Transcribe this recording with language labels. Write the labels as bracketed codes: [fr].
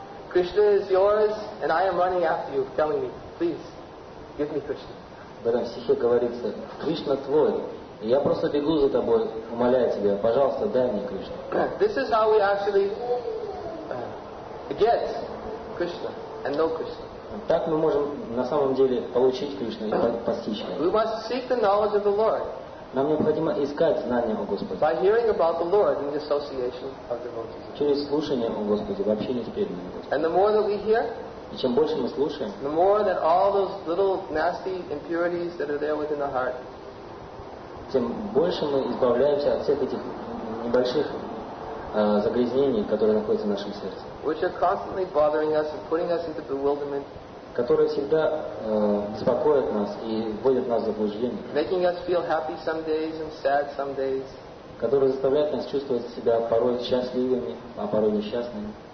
[en] Krishna is yours, and I am running after you, telling me, please, give me Krishna. [ru] В этом стихе говорится, Кришна твой. Я просто бегу за тобой, умоляю тебя, пожалуйста, дай мне Кришну. [en] This is how we actually get Krishna and know Krishna. [ru] Так мы можем на самом деле получить Кришну и постичь Его. [en] We must seek the knowledge of the Lord. [ru] Нам необходимо искать знания о Господе. [en] By hearing about the Lord in the association of devotees. [ru] Через слушание о Господе, в общении с преданными Господом. [en] And the more that we hear, [ru] и чем больше мы слушаем, [en] the more that all those little nasty impurities that are there within the heart, [ru] тем больше мы избавляемся от всех этих небольших загрязнений, которые находятся в нашем сердце. [en] Which are constantly bothering us and putting us into bewilderment. [ru] Которые всегда беспокоят нас и вводят нас в заблуждение. [en] Making us feel happy some days and sad some days. [ru] Которые заставляют нас чувствовать себя порой счастливыми, а порой несчастными.